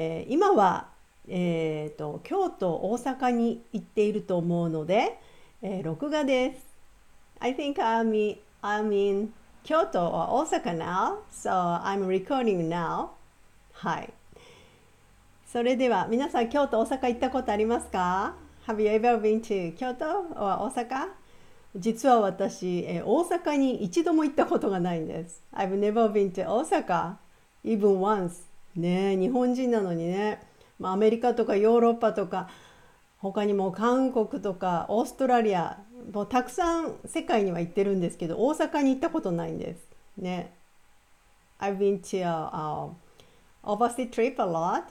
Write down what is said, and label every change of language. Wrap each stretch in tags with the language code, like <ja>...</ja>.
<ja>今は、京都、大阪に行っていると思うので、録画です。</ja> <en>I think I'm in 京都は大阪 now, so I'm recording now.</en> <ja>はい、それでは皆さん、京都、大阪行ったことありますか？</ja> <en>Have you ever been to 京都 or 大阪？</en> <ja>実は私、大阪に一度も行ったことがないんです。</ja> <en>I've never been to 大阪 even once.</en> <ja>ねえ、日本人なのにね、まあ、アメリカとかヨーロッパとか、他にも韓国とかオーストラリア、もうたくさん世界には行ってるんですけど、大阪に行ったことないんです。</ja> <en>ね、I've been to overseas trip a lot.</en>